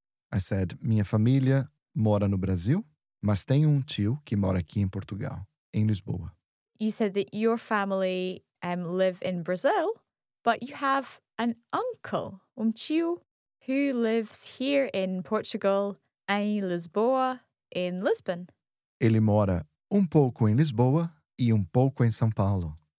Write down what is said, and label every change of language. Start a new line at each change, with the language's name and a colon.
English: I said,
Portuguese: minha família mora no Brasil, mas tem tio que mora aqui em Portugal, em Lisboa.
English: You said that your family live in Brazil, but you have an uncle, tio, who lives here in Portugal,
Portuguese: em Lisboa,
English: in Lisbon.
Portuguese: Ele mora pouco em Lisboa e pouco em São Paulo.